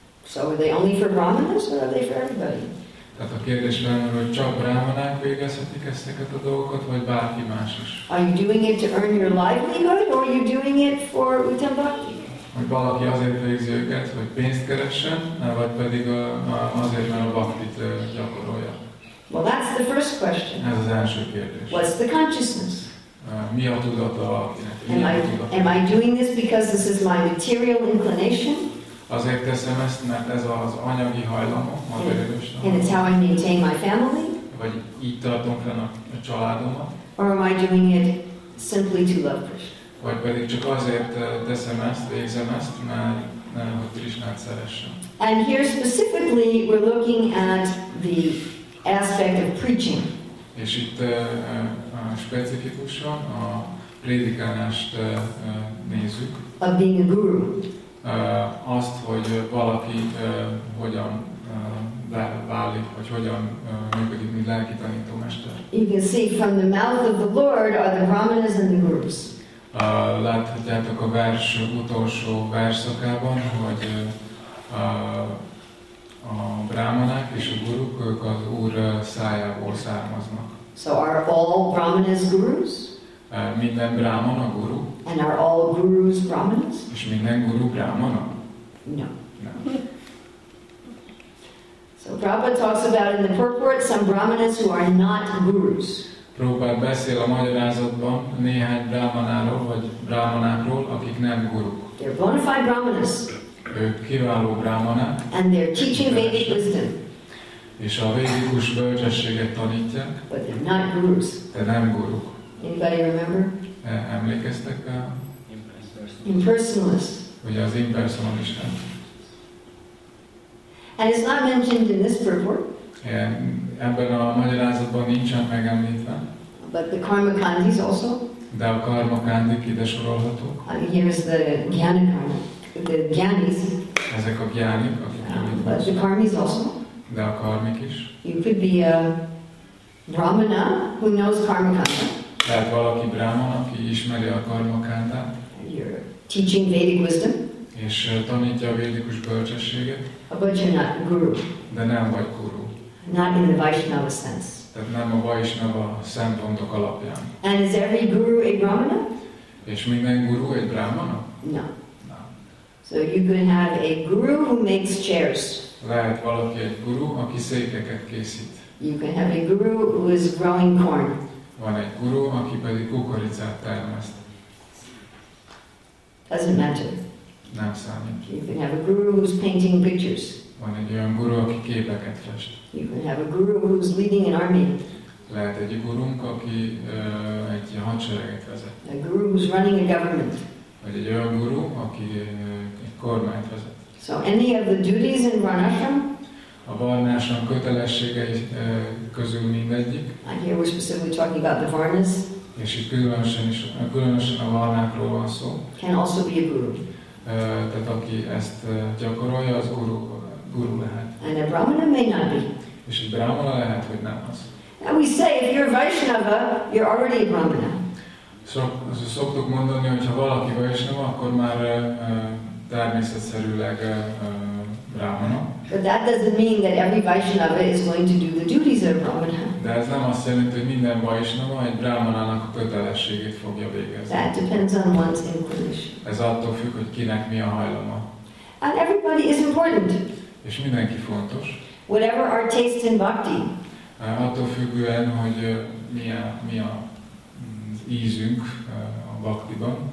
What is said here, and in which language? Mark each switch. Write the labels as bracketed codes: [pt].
[en] So are they only for brahmanas or are they for everybody? [hu] Tehát a kérdés lenne, hogy csak brahmanák végezhetik ezeket a dolgokat, vagy bárki más is. [en] Are you doing it to earn your livelihood or are you doing it for uttam bhakti? [hu] Hogy valaki azért végzi őket, hogy pénzt keressen, vagy pedig azért, mert a bhaktit gyakorolja. [en] Well, that's the first question. [hu] Ez az első kérdés. [en] What's the consciousness? [hu] Mi a tudata a bhaktinek? [en] Am I doing this because this is my material inclination? [hu] Azért teszem ezt, mert ez az anyagi hajlamom, az erősen. [en] And it's how I maintain my family? [hu] Vagy így tartom fenn a családomat? [en] Or am I doing it simply to love Krishna? [hu] Vagy pedig csak azért teszem ezt, végzem ezt, mert nem, hogy Krisnát szeressem. [en] And here specifically we're looking at the aspect of preaching. [hu] És itt specifikusan a prédikálást nézzük. [en] Of being a guru. [hu] Azt, hogy valaki hogyan válik, vagy hogyan működik, mint lelki tanítómester. [en] You can see from the mouth of the Lord are the brahmanas and the gurus. [hu] Láthatjátok a vers utolsó versszakában, hogy a brahmanák és a guruk, ők az Úr szájából származnak. [en] So are all brahmanas gurus? [hu] Minden brahman a guru. [en] And are all gurus brahmanas? [hu] És minden guru brahmana? [en] No. So Prabhupada talks about in the purport some brahmanas who are not gurus. [hu] Prabhupada beszél a magyarázatban néhány brahmanáról, vagy brahmanákról, akik nem guruk. [en] They're bona fide brahmanas. [hu] Ők kiváló brahmanák. [en] And they're teaching Vedic wisdom. [hu] És a védikus bölcsességet tanítják. [en] But they're not gurus. [hu] De nem guruk. [en] Anybody remember? [hu] Emlékeztek a... [en] Impersonalist. [hu] Ugye az impersonalisten. [en] And it's not mentioned in this purport. [hu] Ebben a magyarázatban nincsen megemlítve. [en] But the karmakandis also. [hu] De a karmakandik ide sorolhatók. [en] Here's the gyanakarma. The gyanis. [hu] Ezek a gyanik, akik [en] But the karmis also. [hu] De a karmik is. [en] You could be a brahmana who knows karmakanda. [hu] Lehet valaki brahman, aki ismeri a karmakandát. [en] You're teaching Vedic wisdom. [hu] És tanítja a védikus bölcsességet. [en] But you're not guru. [hu] De nem vagy guru. [en] Not in the Vaishnava sense. [hu] Tehát nem a Vaishnava szempontok alapján. [en] And is every guru a brahmana? [hu] És minden guru egy brahmana? [en] No. So you could have a guru who makes chairs. [hu] Lehet valaki egy guru, aki székeket készít. [en] You can have a guru who is growing corn. [hu] Van egy guru, aki pedig kukoricát termeszt. [en] Doesn't matter. [hu] Nem számít. [en] You can have a guru who is painting pictures. [hu] Van egy olyan guru, aki képeket fest. [en] You can have a guru who is leading an army. [hu] Lehet egy gurunk, aki egy hadsereget vezet. [en] A guru who is running a government. [hu] Vagy egy olyan guru, aki egy kormányt vezet. [en] So any of the duties in Varnashram? [hu] A Varnashram kötelességei közül mindegyik. [en] And here we're specifically talking about the Varnas. [hu] És itt különösen a Varnákról van szó. [en] Can also be a guru. [hu] Tehát aki ezt gyakorolja, az guru lehet. [en] And a Brahmana may not be. [hu] És egy Brahmana lehet, hogy nem az. [en] And we say, if you're a Vaishnava, you're already a Brahmana. [hu] Szoktuk mondani, hogy ha valaki Vaishnava, akkor már természetszerűleg Brahmana. [en] But that doesn't mean that every Vaishnava is going to do the duties of Brahmana. [hu] De ez nem azt jelenti, hogy minden Vaishnava egy Brahmanának a kötelességét fogja végezni. [en] That depends on one's inclination. [hu] Ez attól függ, hogy kinek mi a hajlama. [en] And everybody is important. [hu] És mindenki fontos. [en] Whatever our taste in bhakti. [hu] Attól függően, hogy mi a ízünk a bhaktiban.